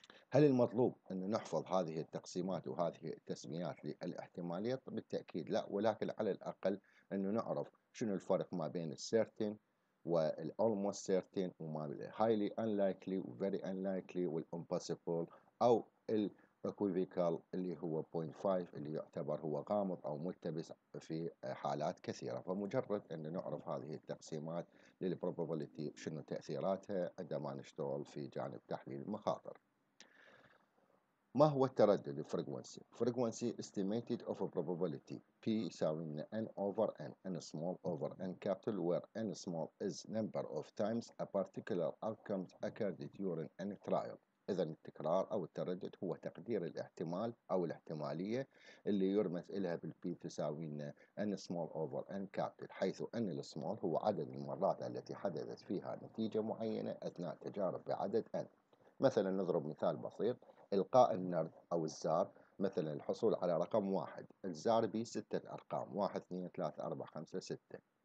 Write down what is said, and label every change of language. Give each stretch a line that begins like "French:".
Arabic: هل المطلوب أن نحفظ هذه التقسيمات وهذه التسميات للاحتمالية؟ بالتأكيد لا، ولكن على الأقل أن نعرف شنو الفرق ما بين certain والalmost certain وما highly unlikely وvery unlikely والimpossible أو الequivocal اللي هو 0.5 اللي يعتبر هو غامض أو ملتبس في حالات كثيرة. فمجرد أن نعرف هذه التقسيمات للprobability شنو تأثيراتها عندما نشتغل في جانب تحليل المخاطر. ما هو التردد الفريكوانسي؟ فريكوانسي
English: estimated of a probability P
Arabic: يساوي لنا
English: N over N، N small over N capital، where N small is number of times a particular outcome occurred during any trial.
Arabic: إذا التكرار أو التردد هو تقدير الاحتمال أو الاحتمالية اللي يرمز إلها بالـ P تساوي لنا
English: N small over N capital،
Arabic: حيث N small هو عدد المرات التي حدثت فيها نتيجة معينة أثناء تجارب بعدد N. مثلا نضرب مثال بسيط، إلقاء النرد أو الزار مثلا الحصول على رقم 1، الزار به 6 أرقام 1 2 3 4 5 6.